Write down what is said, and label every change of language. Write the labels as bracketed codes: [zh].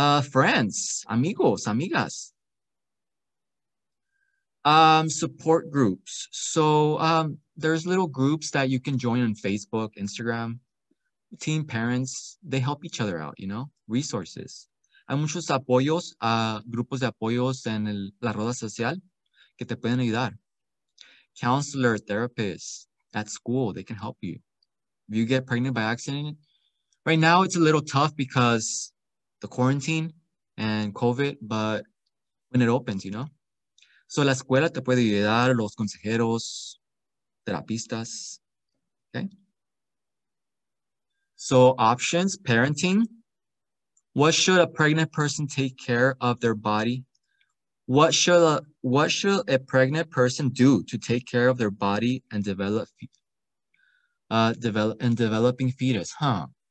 [en] Friends, [es] amigos, amigas. [en] Support groups. So there's little groups that you can join on Facebook, Instagram. Teen parents, they help each other out, you know, resources. [es] Hay muchos apoyos, grupos de apoyos en la rueda social que te pueden ayudar. [en] Counselor, therapist at school, they can help you. If you get pregnant by accident, right now it's a little tough because the quarantine and COVID, but when it opens, you know. [es] So la escuela te puede ayudar, los consejeros, terapistas, okay? [en] So options, parenting. What should a pregnant person take care of their body? What should a pregnant person do to take care of their body and developing fetus, huh?